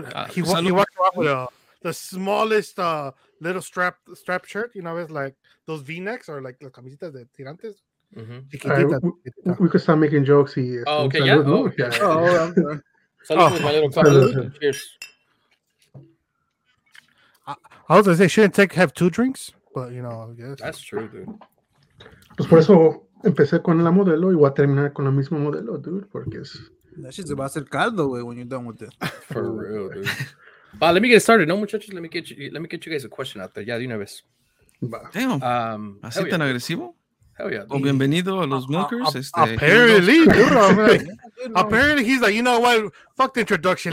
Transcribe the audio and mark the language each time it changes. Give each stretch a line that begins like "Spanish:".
English: He walked around with the smallest little strap shirt, you know, it's like those V-necks or like the
Spanish: camisetas de tirantes.
English: Mm-hmm. Right, we could start making jokes. Oh, okay, yeah. Oh, okay. Yeah. Oh, I'm sorry. Oh. My little cup. Cheers. I was gonna say, shouldn't take have two drinks, but you know, I guess that's true, dude.
Spanish: Pues por eso empecé con la modelo y voy a terminar con la misma modelo, dude, porque es.
English: That shit's about to
Spanish: ser caldo, way,
English: when you're done with it. For real, dude. But let me get started.
Spanish: No, muchachos,
English: let me get you guys a question out there. Yeah,
Spanish: de una vez. Damn. ¿Así tan agresivo?
English: Hell yeah.
Spanish: Oh, bienvenido a los milkers.
English: Apparently, dude. I'm like, apparently, he's like, you know what? Fuck the introduction.